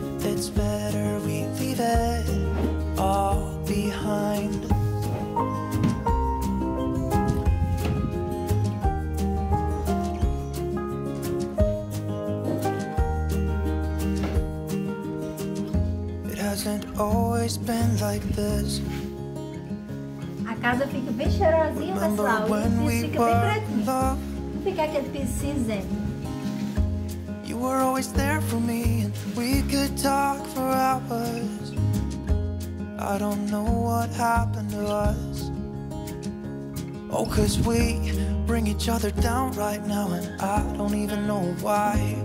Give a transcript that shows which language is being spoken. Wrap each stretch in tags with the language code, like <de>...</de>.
<en>It's better we leave it all behind. It hasn't always been like this.</en> <pt>A casa fica bem cheirosinha, pessoal. E o piso fica bem pretinho. Fica aquele piso cinzento.</pt> <en>You were always there for me. We could talk for hours. I don't know what happened to us. Oh, 'cause we bring each other down right now, and I don't even know why.</en>